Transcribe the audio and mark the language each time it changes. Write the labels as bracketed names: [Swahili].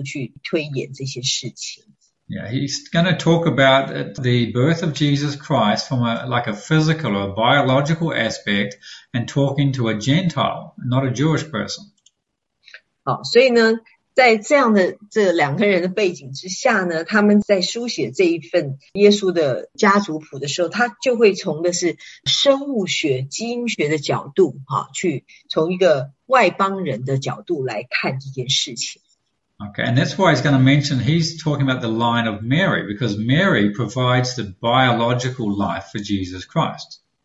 [Chinese] 而路加呢，之所以会去写这个路加福音呢，他是受到一个叫提阿非罗先生的一个委托，所以提阿非罗也不是犹太人，所以他也不会在意路加他用他的医学的角度去推演这些事情。 [English] Yeah, he's going to talk about the birth of Jesus Christ from a physical or a biological aspect and talking to a Gentile, not a Jewish person. [Chinese] 好，所以呢，在这样的这两个人的背景之下呢，他们在书写这一份耶稣的家族谱的时候，他就会从的是生物学、基因学的角度，哈，去从一个外邦人的角度来看这件事情。 [English] Okay, and that's why he's going to mention he's talking about the line of Mary, because Mary provides the biological life for Jesus Christ.